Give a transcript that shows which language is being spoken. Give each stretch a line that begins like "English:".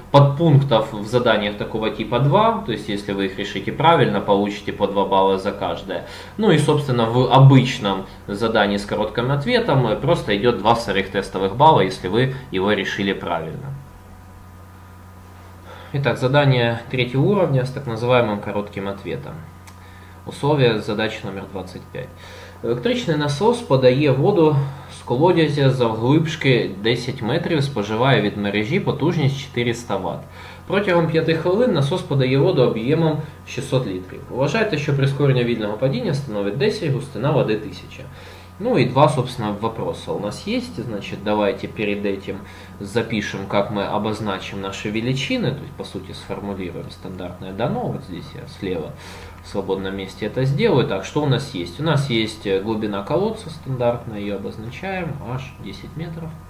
Russian: Подпунктов в заданиях такого типа 2, то есть если вы их решите правильно, получите по 2 балла за каждое. Ну и, собственно, в обычном задании с коротким ответом просто идет 2 сырых тестовых балла, если вы его решили правильно. Итак, задание третьего уровня с так называемым коротким ответом. Условие задачи номер 25.
Ukrainian: Электричный насос подає воду з колодязя завглибшки 10 метрів і споживає від мережі потужність 400 Вт. Протягом 5 хвилин насос подає воду об'ємом 600 літрів. Вважайте, що прискорення вільного падіння становить 10, густина води 1000.
Russian: Ну и два, собственно, вопроса у нас есть, значит, давайте перед этим запишем, как мы обозначим наши величины, то есть, по сути, сформулируем стандартное дано, вот здесь я слева в свободном месте это сделаю. Так, что у нас есть? У нас есть глубина колодца стандартная, ее обозначаем, h 10 метров.